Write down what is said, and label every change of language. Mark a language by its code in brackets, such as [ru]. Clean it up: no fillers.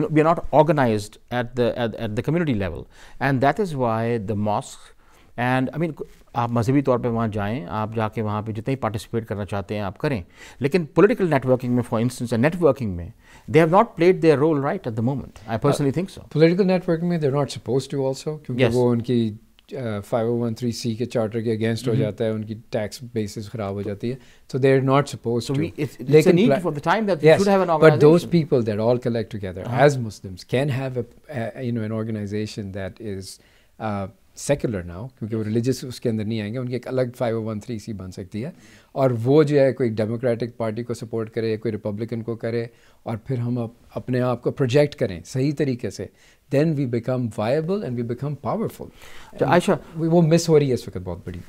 [en] We are not organized at the community level, and that is why the mosque, and I mean, [hi] आप मज़हबी तौर पे वहाँ जाएँ, आप जाके वहाँ पे जितने ही participate करना चाहते हैं आप करें, लेकिन [en] political networking में, for instance, and networking में, they have not played their role right at the moment. I personally think so. Political networking में they're not supposed to also, [hi] क्योंकि yes. वो उनकी 501(c) के charter के against mm-hmm. हो जाता है, उनकी tax basis ख़राब हो जाती है. [en] So they're not supposed to. It's a need for the time that they yes, should have an organization. But those people that all collect together uh-huh. as Muslims can have an organization that is secular now, because yes. [hi] religious उसके अंदर नहीं आएंगे, उनकी एक अलग 501(c) बन सकती है, और वो जो है कोई डेमोक्रेटिक पार्टी को सपोर्ट करे, कोई रिपब्लिकन को करे, और फिर हम अपने आप को प्रोजेक्ट करें सही तरीके से, [en] then we become viable and we become powerful. [hi] तो आयशा वो मिस हो रही है इस वक्त बहुत बड़ी.